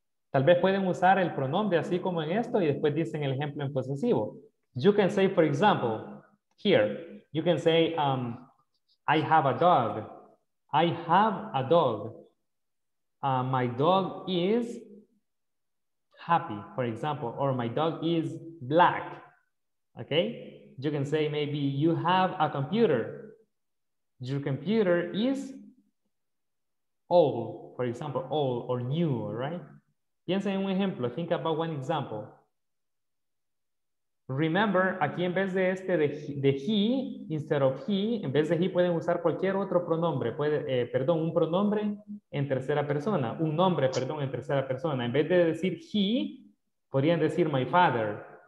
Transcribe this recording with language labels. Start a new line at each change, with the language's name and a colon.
Spanish: Tal vez pueden usar el pronombre así como en esto y después dicen el ejemplo en posesivo.
English: You can say, for example, here, you can say, I have a dog. I have a dog. My dog is happy, for example, or my dog is black. Okay? You can say maybe you have a computer. Your computer is old, for example, old or new, right?
Spanish: Piensa en un ejemplo.
English: Think about one example. Remember,
Spanish: aquí en vez de este de he,
English: instead of he,
Spanish: en vez de he pueden usar cualquier otro pronombre. Puede, perdón, un pronombre en tercera persona. Un nombre, perdón, en tercera persona. En vez de decir he, podrían decir
English: my father.